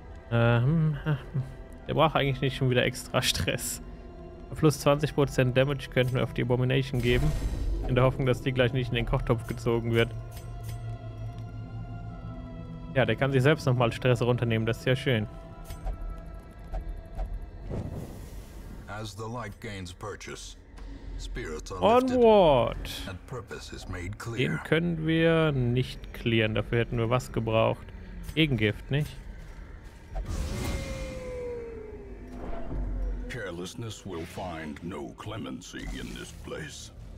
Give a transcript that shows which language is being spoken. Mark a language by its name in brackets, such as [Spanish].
[German] Huh? Der braucht eigentlich nicht schon wieder extra Stress. Plus 20% Damage könnten wir auf die Abomination geben. In der Hoffnung, dass die gleich nicht in den Kochtopf gezogen wird. Ja, der kann sich selbst nochmal Stress runternehmen, das ist ja schön. [English] As the light gains purchase, spirits are onward! And purpose is made clear. [German] Den können wir nicht clearen, dafür hätten wir was gebraucht. Gegengift, nicht? [English] Carelessness will find no clemency in this place.